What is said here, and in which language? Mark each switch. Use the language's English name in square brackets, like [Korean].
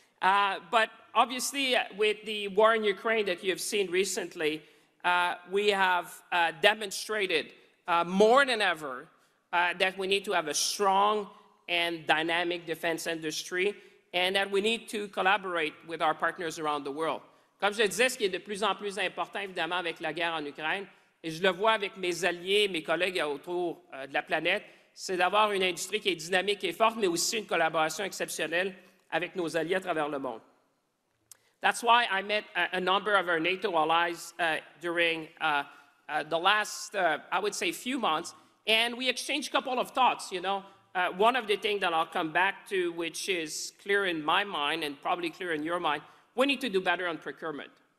[English] But obviously, with the war in Ukraine that you have seen recently, we have demonstrated more than ever that we need to have a strong and dynamic defense industry, and that we need to collaborate with our partners around the world. [French] Comme je disais, ce qui est de plus en plus important, évidemment, avec la guerre en Ukraine, et je le vois avec mes alliés, mes collègues autour de la planète, c'est d'avoir une industrie qui est dynamique et forte, mais aussi une collaboration exceptionnelle avec nos alliés à travers le monde. [English] That's why I met a number of our NATO allies during the last, I would say, few months, and we exchanged a couple of thoughts, you know. One of the things that I'll come back to, which is clear in my mind and probably clear in your mind, we need to do better on procurement.